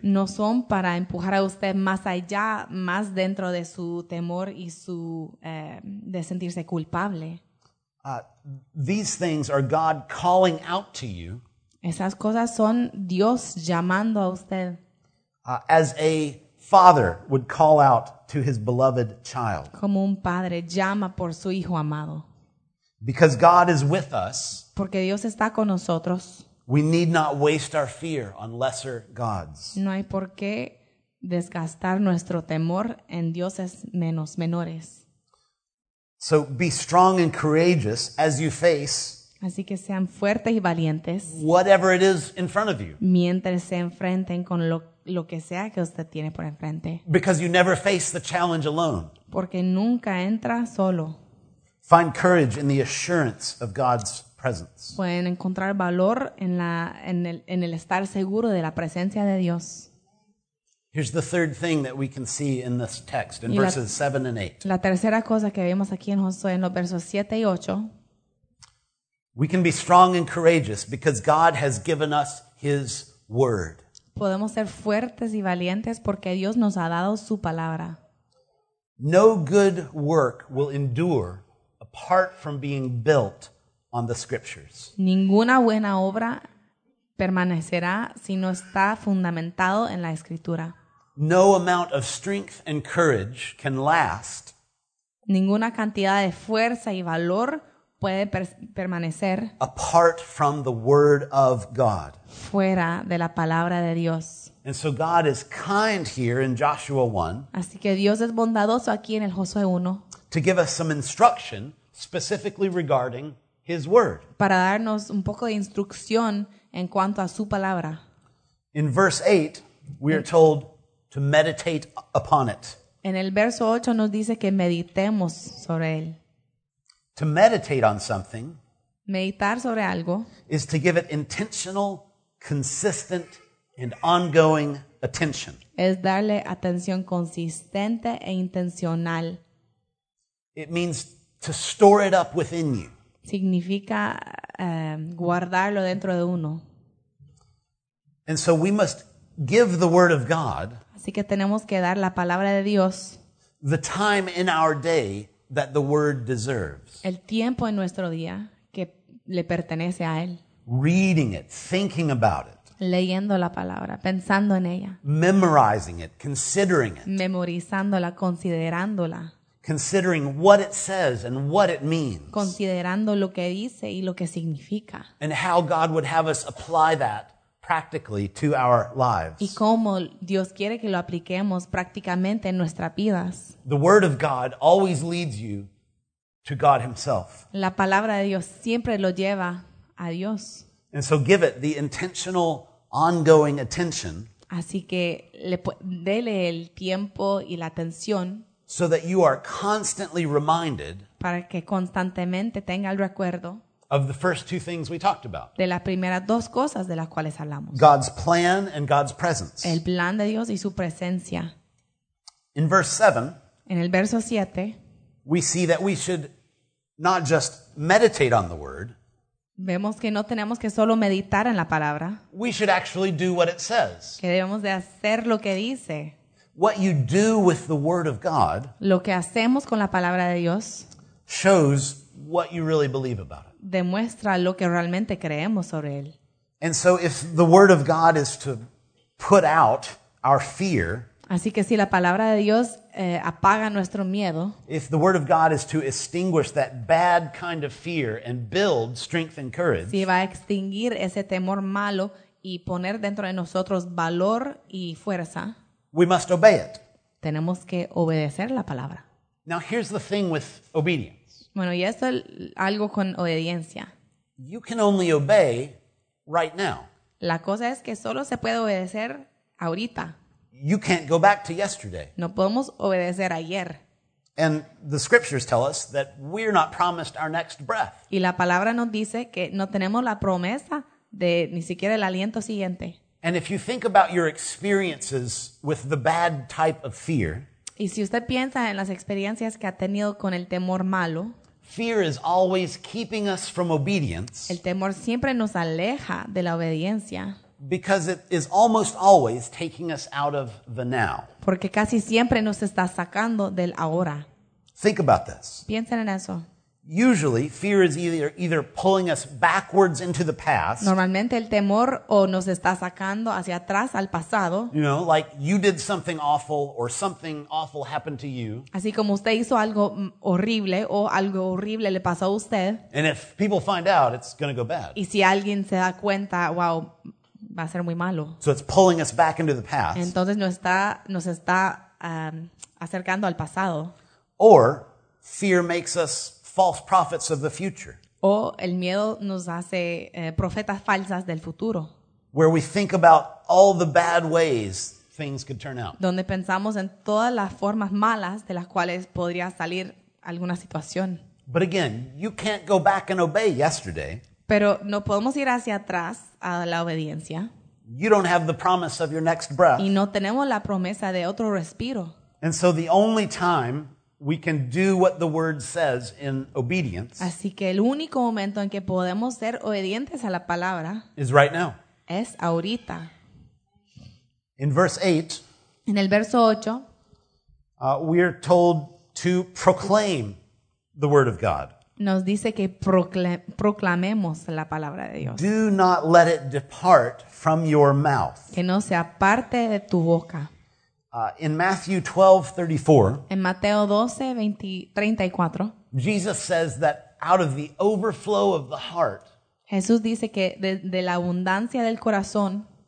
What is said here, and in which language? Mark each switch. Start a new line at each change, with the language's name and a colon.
Spanish: No son para empujar a usted más allá, más dentro de su temor y su de sentirse culpable.
English: These things are God calling out to you.
Spanish: Esas cosas son Dios llamando a usted.
English: As a father would call out to his beloved child.
Spanish: Como un padre llama por su hijo amado.
English: Because God is with us.
Spanish: Porque Dios está con nosotros.
English: We need not waste our fear on lesser gods.
Spanish: No hay por qué desgastar nuestro temor en dioses menores.
English: So be strong and courageous as you face.
Spanish: Así que sean fuertes y valientes.
English: Whatever it is in front of you.
Spanish: Mientras se enfrenten con lo que sea que usted tiene por enfrente.
English: Because you never face the challenge alone.
Spanish: Porque nunca entra solo.
English: Find courage in the assurance of God's presence.
Spanish: Pueden encontrar valor en el estar seguro de la presencia de Dios.
English: Here's the third thing that we can see in this text in verses 7 and 8.
Spanish: La tercera cosa que vemos aquí en Josué en los versos 7 y 8.
English: We can be strong and courageous because God has given us his word.
Spanish: Podemos ser fuertes y valientes porque Dios nos ha dado su palabra.
English: No good work will endure apart from being built on the scriptures.
Spanish: Ninguna buena obra permanecerá si no está fundamentado en la escritura.
English: No amount of strength and courage can last.
Spanish: Ninguna cantidad de fuerza y valor puede permanecer
English: apart from the word of God.
Spanish: Fuera de la palabra de Dios.
English: And so God is kind here in Joshua 1.
Spanish: Así que Dios es bondadoso aquí en el Josué 1.
English: To give us some instruction specifically regarding his word.
Spanish: Para darnos un poco de instrucción en cuanto a su palabra.
English: In verse 8, we are told to meditate upon it.
Spanish: En el verso 8 nos dice que meditemos sobre él.
English: To meditate on something,
Spanish: meditar sobre algo,
English: is to give it intentional, consistent, and ongoing attention.
Spanish: Es darle atención consistente e intencional.
English: It means to store it up within you.
Spanish: Significa guardarlo dentro de uno.
English: And so we must give the word of God.
Spanish: Así que tenemos que dar la palabra de Dios.
English: The time in our day that the word deserves.
Spanish: El tiempo en nuestro día que le pertenece a él.
English: Reading it, thinking about it.
Spanish: Leyendo la palabra, pensando en ella.
English: Memorizing it, considering it.
Spanish: Memorizándola, considerándola.
English: Considering what it says and what it means.
Spanish: Considerando lo que dice y lo que significa.
English: And how God would have us apply that practically to our lives.
Spanish: Y cómo Dios quiere que lo apliquemos prácticamente en nuestras vidas.
English: The word of God always leads you to God himself.
Spanish: La palabra de Dios siempre lo lleva a Dios.
English: And so give it the intentional ongoing attention.
Spanish: Así que dele el tiempo y la atención.
English: So that you are constantly reminded,
Spanish: para que constantemente tenga el recuerdo,
English: of the first two things we talked about,
Spanish: de las primeras dos cosas de las cuales hablamos,
English: God's plan and God's presence,
Spanish: el plan de Dios y su presencia.
English: In verse 7,
Spanish: en el verso 7,
English: we see that we should not just meditate on the word,
Spanish: vemos que no tenemos que solo meditar en la palabra,
English: we should actually do what it says,
Spanish: que debemos de hacer lo que dice.
English: What you do with the word of God,
Spanish: lo que hacemos con la palabra de Dios,
English: shows what you really believe about it.
Spanish: Demuestra lo que realmente creemos sobre él.
English: And so if the word of God is to put out our fear,
Spanish: así que si la palabra de Dios apaga nuestro miedo,
English: if the word of God is to extinguish that bad kind of fear and build strength and courage,
Spanish: si va a extinguir ese temor malo y poner dentro de nosotros valor y fuerza,
English: we must obey it.
Spanish: Tenemos que obedecer la palabra.
English: Now here's the thing with obedience.
Spanish: Bueno, y esto es algo con obediencia.
English: You can only obey right now.
Spanish: La cosa es que solo se puede obedecer ahorita.
English: You can't go back to yesterday.
Spanish: No podemos obedecer ayer.
English: And the scriptures tell us that we're not promised our next breath.
Spanish: Y la palabra nos dice que no tenemos la promesa de ni siquiera el aliento siguiente.
English: And if you think about your experiences with the bad type of fear,
Spanish: y si usted piensa en las experiencias que ha tenido con el temor malo,
English: fear is always keeping us from obedience.
Spanish: El temor siempre nos aleja de la obediencia.
English: Because it is almost always taking us out of the now.
Spanish: Porque casi siempre nos está sacando del ahora.
English: Think about this.
Spanish: Piensen en eso.
English: Usually, fear is either pulling us backwards into the past.
Spanish: Normalmente, el temor o nos está sacando hacia atrás al pasado.
English: You know, like you did something awful or something awful happened to you.
Spanish: Así como usted hizo algo horrible o algo horrible le pasó a usted.
English: And if people find out, it's going to go bad.
Spanish: Y si alguien se da cuenta, wow, va a ser muy malo.
English: So it's pulling us back into the past.
Spanish: Entonces nos está acercando al pasado.
English: Or fear makes us false prophets of the future.
Spanish: O el miedo nos hace profetas falsas del futuro.
English: Where we think about all the bad ways things could turn out.
Spanish: Donde pensamos en todas las formas malas de las cuales podría salir alguna situación.
English: But again, you can't go back and obey yesterday.
Spanish: Pero no podemos ir hacia atrás a la obediencia.
English: You don't have the promise of your next breath.
Spanish: Y no tenemos la promesa de otro respiro.
English: And so the only time we can do what the word says in obedience.
Spanish: Así que el único momento en que podemos ser obedientes a la palabra
English: is right now.
Spanish: Es ahorita.
English: In verse 8.
Spanish: En el verso 8.
English: We are told to proclaim the word of God.
Spanish: Nos dice que proclamemos la palabra de Dios.
English: Do not let it depart from your mouth.
Spanish: Que no sea parte de tu boca.
English: In Matthew 12:34,
Spanish: en Mateo 12:34,
English: Jesus says that out of the overflow of the heart,
Spanish: Jesús dice que de la abundancia del corazón,